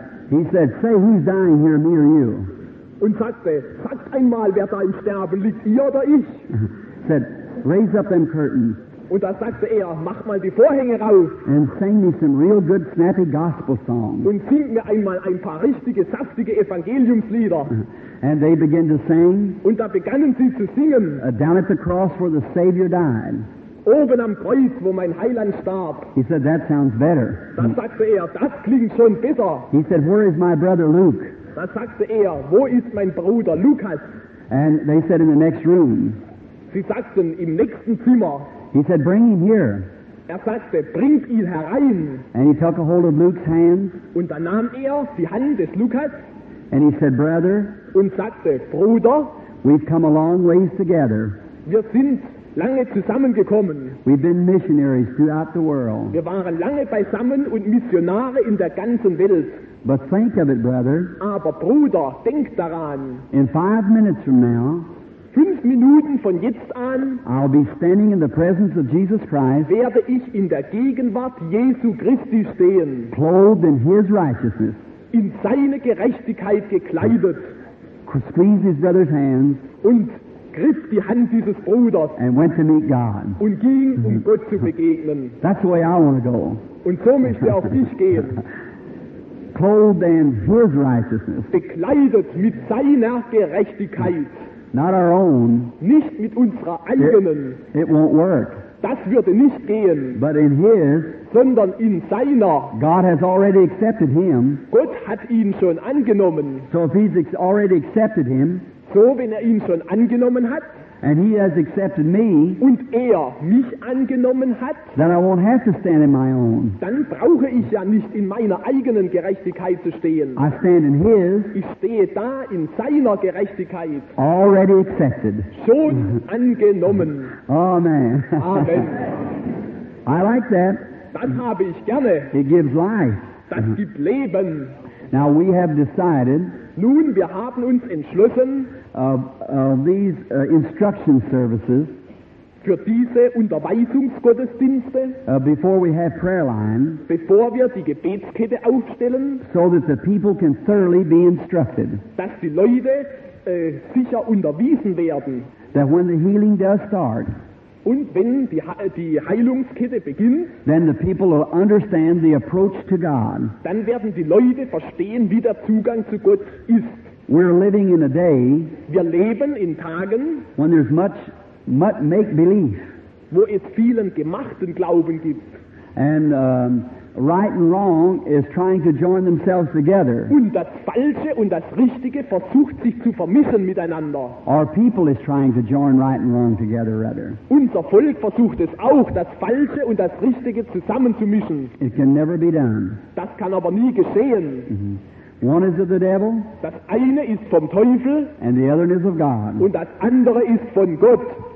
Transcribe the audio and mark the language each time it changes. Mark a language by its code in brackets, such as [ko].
[en] He said, "Say who's dying here, me or you?" [de] Und sagte, sagt einmal, wer da im Sterben liegt, ihr oder ich? [en] Said, raise up them curtains. [de] Und da sagte mach mal die Vorhänge rauf. [en] And sing me some real good snappy gospel songs. [de] Und sing mir einmal ein paar richtige, saftige Evangeliumslieder. [en] And they began to sing. [de] Und da begannen sie zu singen. [en] Down at the cross where the Savior died. [de] Oben am Kreuz, wo mein Heiland starb. [en] He said, that sounds better. [de] Da sagte das klingt schon besser. [en] He said, where is my brother Luke? [de] Da sagte wo ist mein Bruder Lukas? [en] And they said, in the next room. [de] Sie sagten, im nächsten Zimmer. [en] He said, bring him here. [de] Sagte, bringt ihn herein. [en] And he took a hold of Luke's hand. [de] Und dann nahm die Hand des Lukas. [en] And he said, brother. [de] Und sagte, Bruder. [en] We've come a long ways together. [de] Wir sind lange zusammengekommen. [en] We've been missionaries throughout the world. [de] Wir waren lange beisammen und Missionare in der ganzen Welt. [en] But think of it, brother. [de] Aber Bruder, denk daran. [en] In 5 minutes from now, [de] 5 Minuten von jetzt an, [en] I'll be standing in the presence of Jesus Christ, [de] werde ich in der Gegenwart Jesu Christi stehen, [en] clothed in his righteousness, [de] in seine Gerechtigkeit gekleidet, [en] squeezed his brother's hands, [de] und griff die Hand dieses Bruders, [en] and went to meet God, [de] und ging, Gott zu begegnen. [en] That's the way I want to go. [de] Und so möchte auch ich gehen. [en] Clothed in his righteousness. [de] Bekleidet mit seiner Gerechtigkeit. [en] Not our own. [de] Nicht mit unserer eigenen. [en] It won't work. [de] Das würde nicht gehen. [en] But in his. [de] Sondern in seiner. [en] God has already accepted him. [de] Gott hat ihn schon angenommen. [en] So if he's already accepted him. [de] So wenn ihn schon angenommen hat. [en] And he has accepted me. [de] Und mich angenommen hat. [en] Then I won't have to stand in my own. [de] Dann brauche ich nicht in meiner eigenen Gerechtigkeit zu stehen. [en] I stand in his. [de] Ich stehe da in seiner Gerechtigkeit. [en] Already accepted. [de] Schon angenommen. [en] Oh, man. [de] Amen. [en] I like that. [de] Das habe ich gerne. [en] It gives life. [de] Das gibt Leben. [en] Now we have decided. [de] Nun, wir haben uns entschlossen. [en] These instruction services. [de] Für diese Unterweisungsgottesdienste. [en] Before we have prayer line. [de] Bevor wir die Gebetskette aufstellen. [en] So that the people can thoroughly be instructed. [de] Dass die Leute sicher unterwiesen werden. [en] That when the healing does start. [de] Und wenn die Heilungskette beginnt, [en] then the people will understand the approach to God. [de] Dann werden die Leute verstehen, wie der Zugang zu Gott ist. [en] We're living in a day. [de] Wir leben in Tagen, [en] when there's much make-believe. [de] Wo es vielen gemachten Glauben gibt. [en] And right and wrong is trying to join themselves together. [de] Und das Falsche und das Richtige versucht sich zu vermischen miteinander. [en] Our people is trying to join right and wrong together, rather. [de] Unser Volk versucht es auch, das Falsche und das Richtige zusammenzumischen. [en] It can never be done. [de] Das kann aber nie geschehen. [en] Mm-hmm. One is of the devil. [de] Das eine ist vom Teufel. [en] And the other is of God. [de] Und das andere ist von Gott.